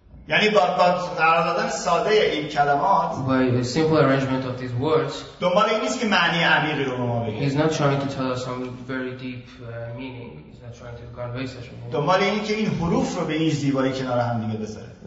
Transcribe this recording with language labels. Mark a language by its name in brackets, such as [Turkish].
[Persian] یعنی با قرار دادن ساده این کلمات [English] by a simple arrangement of these words [Persian] دنبال این نیست که معنی عمیقی رو به ما بگه. [English] He's not trying to tell us some very deep meaning. He's not trying to convey such meaning. [Persian] دنبال اینی که این حروف رو به این زیبایی کنار هم دیگه بذاره.